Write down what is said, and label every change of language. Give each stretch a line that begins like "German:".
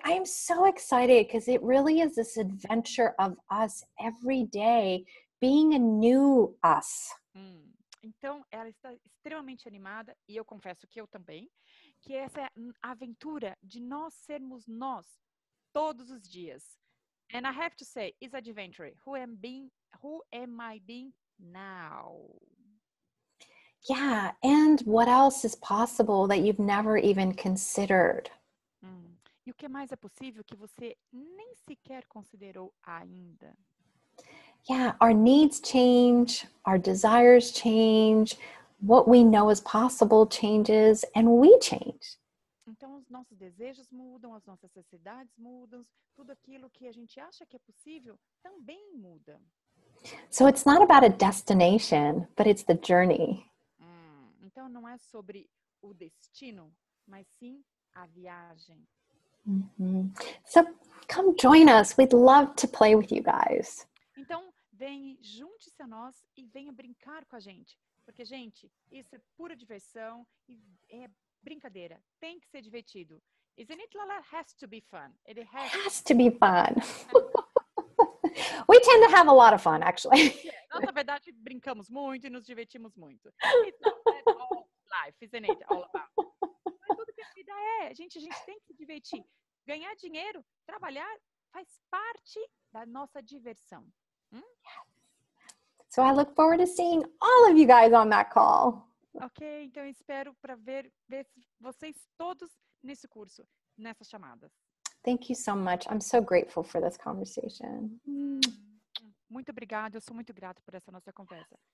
English: I'm so excited because it really is this adventure of us every day being a new us.
Portuguese: Então, ela está extremamente animada e eu confesso que eu também, que essa é a aventura de nós sermos nós todos os dias.
English: And I have to say, it's adventure. Who am I being now? Yeah, and what else is possible that you've never even considered?
Portuguese: E o que mais é possível que você nem sequer considerou ainda?
English: Yeah, our needs change, our desires change, what we know is possible changes, and we change.
Portuguese: Então, os nossos desejos mudam, as nossas necessidades mudam, tudo aquilo que a gente acha que é possível também muda.
English: So it's not about a destination, but it's the journey.
Portuguese: Então, não é sobre o destino, mas sim a viagem.
English: Mm-hmm. So come join us. We'd love to play with you guys.
Portuguese: Então, vem, junte-se a nós e venha brincar com a gente. Porque, gente, isso é pura diversão e é brincadeira. Tem que ser divertido.
English: Isn't it, Laleh? Has to be fun. It has to be fun. We tend to have a lot of fun, actually.
Portuguese: Nós, na verdade, brincamos muito e nos divertimos muito.
English: It's not all life, isn't it? All about.
Portuguese: Mas tudo que a vida é. A gente tem que se divertir. Ganhar dinheiro, trabalhar, faz parte da nossa diversão.
English: So I look forward to seeing all of you guys on that call.
Portuguese: Ok, então eu espero para ver vocês todos nesse curso, nessa chamada.
English: Thank you so much. I'm so grateful for this conversation.
Portuguese: Muito obrigada. Eu sou muito grata por essa nossa conversa.